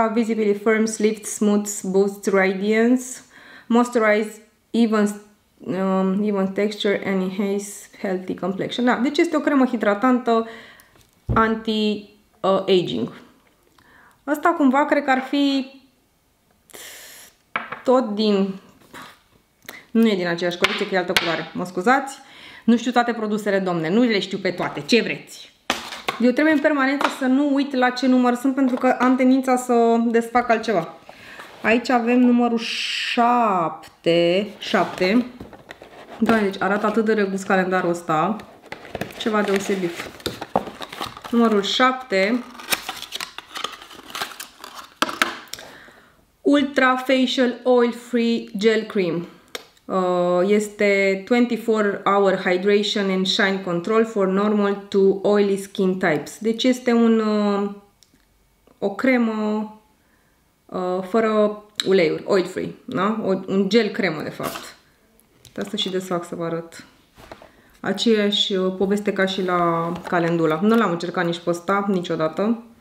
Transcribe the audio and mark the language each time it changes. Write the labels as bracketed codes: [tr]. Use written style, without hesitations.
[en] Visibly firms, lifts, smooths, boosts, radiance, moisturize, even texture, and enhance healthy complexion. [ro] Da, deci este o cremă hidratantă anti-aging. Asta cumva cred că ar fi tot din... Nu e din aceeași colecție, că e altă culoare. Mă scuzați. Nu știu toate produsele, domne. Nu le știu pe toate. Ce vreți? Eu trebuie în permanență să nu uit la ce număr sunt, pentru că am tendința să desfac altceva. Aici avem numărul 7. 7. Da, deci arată atât de regus calendarul ăsta. Ceva deosebit. Numărul 7. [en] Ultra Facial Oil Free Gel Cream. Este 24-hour hydration and shine control for normal to oily skin types. [ro] Deci este o cremă fără uleiuri, oil free, da? Un gel cremă, de fapt. De asta și desfac să vă arăt. Aceeași poveste ca și la calendula. Nu l-am încercat nici pe ăsta, niciodată.